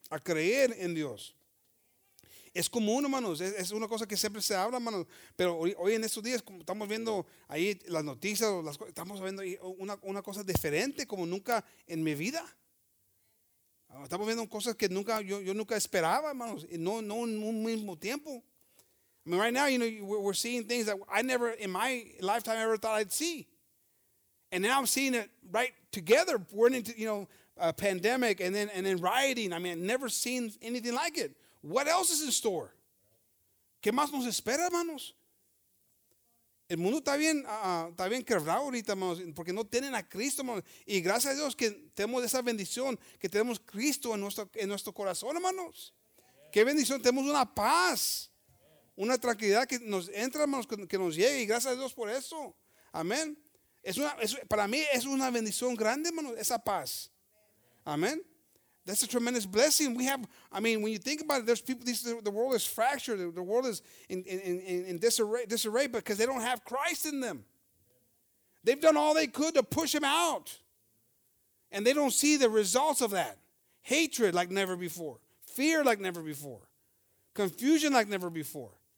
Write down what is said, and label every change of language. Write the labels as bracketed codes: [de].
[es] A creer en Dios. Es común, hermanos, es una cosa que siempre se habla, hermanos, pero hoy en estos días, como estamos viendo ahí las noticias, estamos viendo una cosa diferente como nunca en mi vida. Estamos viendo cosas que nunca, yo nunca esperaba, hermanos, y no en un mismo tiempo. [en] I mean, right now, you know, we're seeing things that I never in my lifetime ever thought I'd see. And now I'm seeing it right together, we're into, you know, a pandemic and then rioting. I mean, I've never seen anything like it. What else is in store? [es] ¿Qué más nos espera, hermanos? El mundo está bien quebrado ahorita, hermanos, porque no tienen a Cristo, hermanos. Y gracias a Dios que tenemos esa bendición, que tenemos Cristo en nuestro corazón, hermanos. Qué bendición, tenemos una paz, una tranquilidad que nos entra, hermanos, que nos llega. Y gracias a Dios por eso. Amén. Para mí es una bendición grande, hermanos, esa paz. [en] Amén. That's a tremendous blessing. We have, I mean, when you think about it, there's people, the world is fractured. The world is in disarray because they don't have Christ in them. They've done all they could to push him out. And they don't see the results of that. Hatred like never before. Fear like never before. Confusion like never before.